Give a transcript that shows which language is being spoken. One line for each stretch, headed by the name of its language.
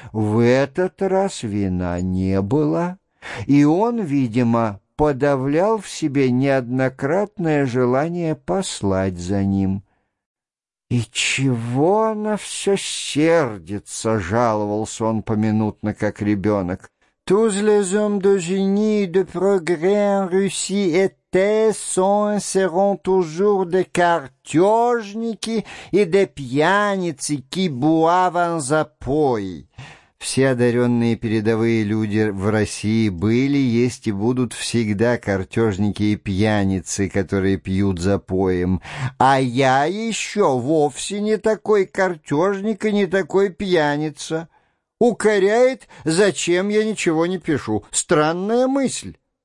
Russian: В этот раз вина не было, и он, видимо, подавлял в себе неоднократное желание послать за ним. «И чего она все сердится?» — жаловался он поминутно, как ребенок.
French: «Tous les hommes de génie, de progrès en Russie étaient, sont, seront toujours des
Russian: картежники и
French: des
Russian: пьяницы,
French: qui boivent en
Russian: запой». Все одаренные передовые люди в России были, есть и будут всегда картежники и пьяницы, которые пьют запоем. А я еще вовсе не такой картежник и не такой пьяница. Укоряет, зачем я ничего не пишу. Странная мысль.